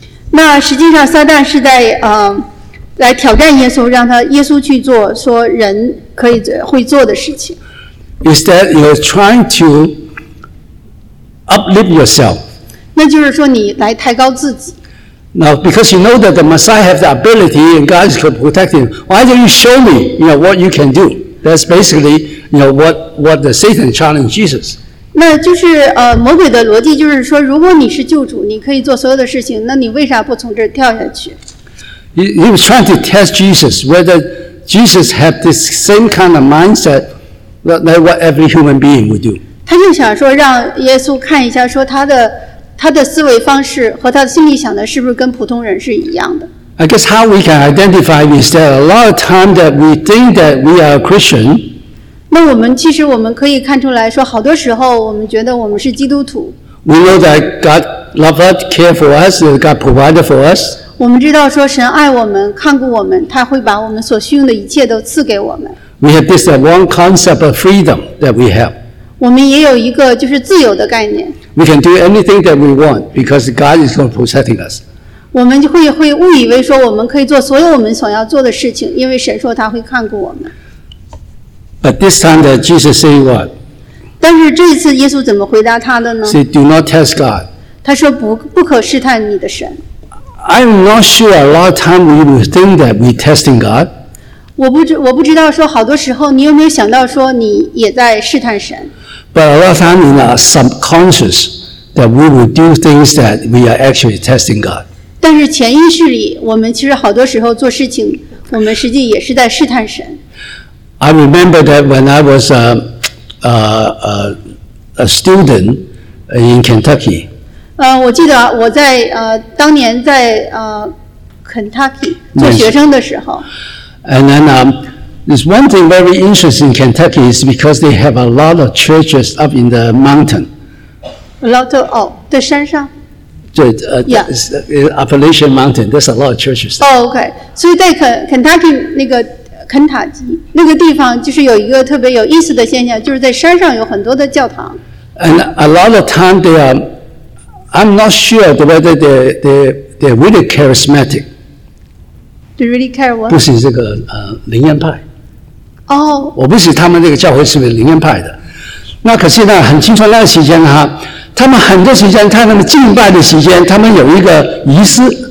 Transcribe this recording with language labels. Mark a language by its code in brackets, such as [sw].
[zh] 那实际上撒旦是在来挑战耶稣，让他耶稣去做说人可以会做的事情。 [en] Is that you're trying to uplift yourself? [zh] 那就是说你来抬高自己。 [en] Now, because you know that the Messiah has the ability and God is protecting, why don't you show me, you know, what you can do? That's basically, you know, what the Satan challenged Jesus. [zh] 那就是魔鬼的逻辑就是说，如果你是救主，你可以做所有的事情，那你为啥不从这儿跳下去？ [en] He was trying to test Jesus whether Jesus had this same kind of mindset that what every human being would do. [zh] 他就想说让耶稣看一下，说他的思维方式和他的心里想的是不是跟普通人是一样的。 [en] I guess how we can identify is that a lot of time that we think that we are a Christian. [zh] 那我们其实我们可以看出来说，好多时候我们觉得我们是基督徒。 [en] We know that God loves us, cares for us, God provided for us. [zh] 我们知道说神爱我们，看顾我们，他会把我们所需用的一切都赐给我们。 [en] We have this one concept of freedom that we have. [zh] 我们也有一个就是自由的概念。 [en] We can do anything that we want because God is going to protect us. [zh] 我们会误以为说我们可以做所有我们想要做的事情，因为神说他会看顾我们。 [en] But this time that Jesus said what? [zh] 但是这次耶稣怎么回答他的呢？ [en] Say, do not test God. [zh] 他说不可试探你的神。 [en] I'm not sure a lot of time we would think that we're testing God. [zh] 我不知道说好多时候你有没有想到说你也在试探神。 [en] But a lot of time in our subconscious that we would do things that we are actually testing God. [zh] 但是潜意识里我们其实好多时候做事情我们实际也是在试探神。 [en] I remember that when I was a student in Kentucky. [zh] 我记得我在当年在Kentucky 做学生的时候。 [en] And then there's one thing very interesting in Kentucky is because they have a lot of churches up in the mountain. A lot of [zh] 在山上。 [en] 对Appalachian Mountain. There's a lot of churches. Oh, okay. [zh] 所以在Kentucky 那个。肯塔基那个地方就是有一个特别有意思的现象，就是在山上有很多的教堂。 [en] And a lot of time they are, I'm not sure whether they're really charismatic. They really care what? [zh] 不是这个灵恩派。哦、oh.。我不是他们那个教会是不是灵恩派的？那可是呢，很清楚那个时间哈，他们很多时间，他们敬拜的时间，他们有一个仪式。